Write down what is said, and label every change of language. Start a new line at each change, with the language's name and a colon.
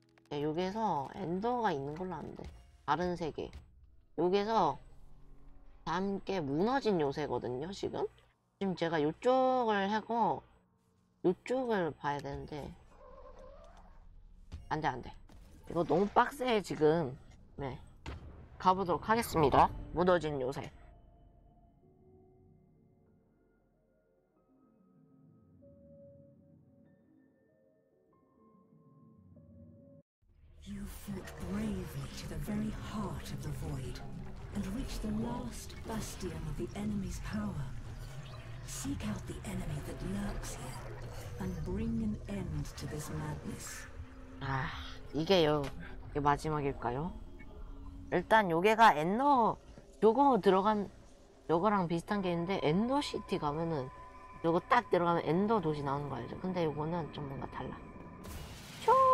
Korean: 네, 여기서 엔더가 있는 걸로 아는데 다른 세계 여기서 함께 무너진 요새거든요 지금. 지금 제가 요쪽을 하고 요쪽을 봐야 되는데 안돼 안돼 이거 너무 빡세 지금. 네 가보도록 하겠습니다. 무너진 요새
English: You fought bravely to the very heart of the void and reached the last bastion of the enemy's power. Seek out the enemy that lurks here and bring an end to this madness.
Korean: 아, 이게요. 이게 마지막일까요? 일단 요게가 엔더 요거 들어간 요거랑 비슷한 게 있는데 엔더 시티 가면은 요거 딱 들어가면 엔더 도시 나오는 거 알죠? 근데 요거는 좀 뭔가 달라. 쇼!